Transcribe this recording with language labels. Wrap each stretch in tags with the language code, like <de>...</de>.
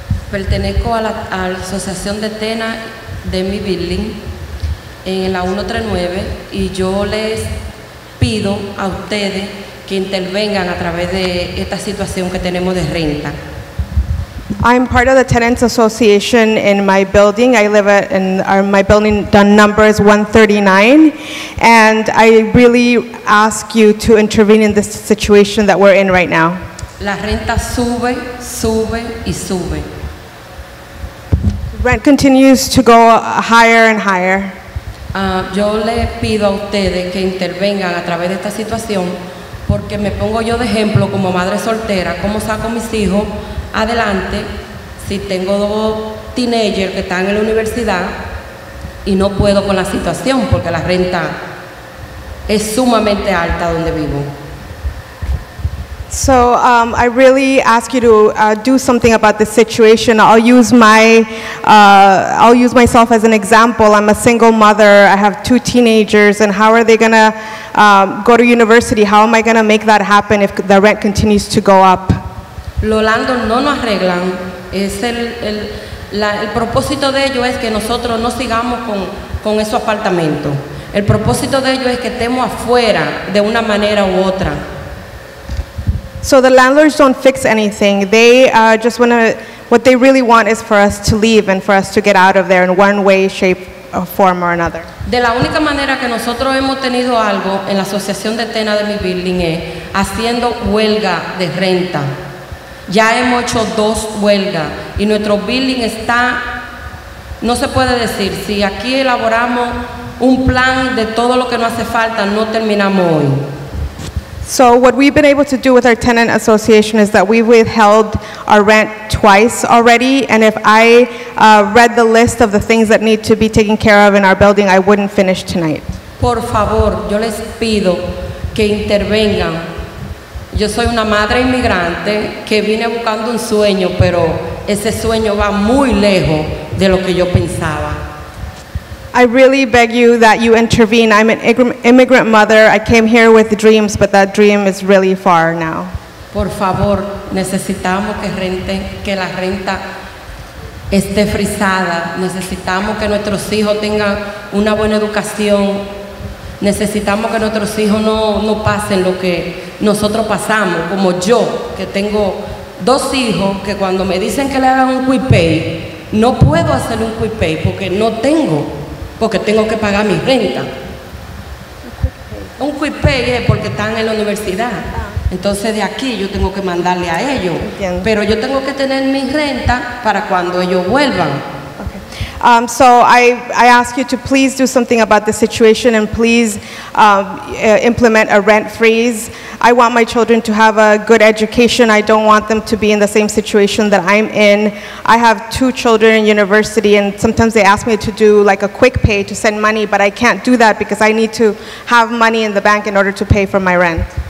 <es>Pertenezco a la asociación de Tena de mi building en la 139 y yo les pido a ustedes que intervengan a través de esta situación que tenemos de renta.</es> <en>I'm part of the Tenants Association in my building. I live in my building, the number is 139. And I really ask you to intervene in this situation that we're in right now.</en> <es>La renta sube, sube y sube.</es> <en>Rent continues to go higher and higher.</en> <es>Yo le pido a ustedes que intervengan a través de esta situación porque me pongo yo de ejemplo como madre soltera, cómo saco mis hijos adelante si tengo dos teenagers que están en la universidad y no puedo con la situación porque la renta es sumamente alta donde vivo.</es> <en>So I really ask you to do something about this situation. I'll use myself as an example. I'm a single mother. I have two teenagers, and how are they gonna go to university? How am I gonna make that happen if the rent continues to go up?</en> <es>Los landlords no nos arreglan. Es el propósito de ellos es que nosotros no sigamos con esos apartamentos. El propósito de ellos es que estemos afuera de una manera u otra.</es> <en>So the landlords don't fix anything. They just want to, what they really want is for us to leave and for us to get out of there in one way, shape, or form or another.</en> <es>De la única manera que nosotros hemos tenido algo en la asociación de tenas de mi building es haciendo huelga de renta. Ya hemos hecho dos huelgas y nuestro building está, no se puede decir, si aquí elaboramos un plan de todo lo que nos hace falta, no terminamos hoy.</es> <en>So what we've been able to do with our tenant association is that we've withheld our rent twice already, and if I read the list of the things that need to be taken care of in our building, I wouldn't finish tonight.</en> <es>Por favor, yo les pido que intervengan. Yo soy una madre inmigrante que vine buscando un sueño, pero ese sueño va muy lejos de lo que yo pensaba.</es> <en>I really beg you that you intervene. I'm an immigrant mother. I came here with dreams, but that dream is really far now.</en> <es>Por favor, necesitamos que rente, que la renta esté frisada. Necesitamos que nuestros hijos tengan una buena educación. Necesitamos que nuestros hijos no pasen lo que nosotros pasamos, como yo, que tengo dos hijos que cuando me dicen que le hagan un quick pay, no puedo hacer un quick pay porque no tengo. Porque tengo que pagar mi renta. Un quick pay es porque están en la universidad. Entonces de aquí yo tengo que mandarle a ellos. Pero yo tengo que tener mi renta para cuando ellos vuelvan.</es> <en>So I ask you to please do something about the situation and please implement a rent freeze. I want my children to have a good education. I don't want them to be in the same situation that I'm in. I have two children in university and sometimes they ask me to do like a quick pay to send money, but I can't do that because I need to have money in the bank in order to pay for my rent.</en>